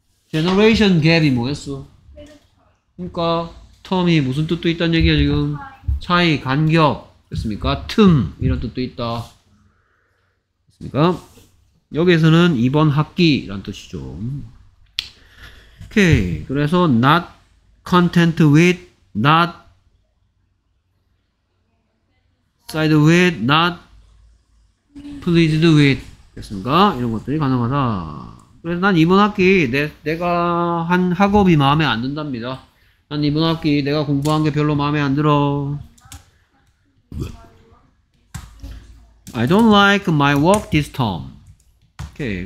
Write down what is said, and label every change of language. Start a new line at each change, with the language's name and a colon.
Korean: generation gap이 뭐였어? 그러니까 term이 무슨 뜻도 있다는 얘기야 지금? 차이, 간격. 됐습니까? 틈 이런 뜻도 있다. 됐습니까? 여기에서는 이번 학기란 뜻이죠. 오케이. 그래서
English: not content with, not satisfied with, not pleased with.
Korean: 됐습니까? 이런 것들이 가능하다. 그래서 난 이번 학기 내가 한 학업이 마음에 안 든답니다. 난 이번 학기 내가 공부한 게 별로 마음에 안 들어.
English: I don't like my work this term. 오케이.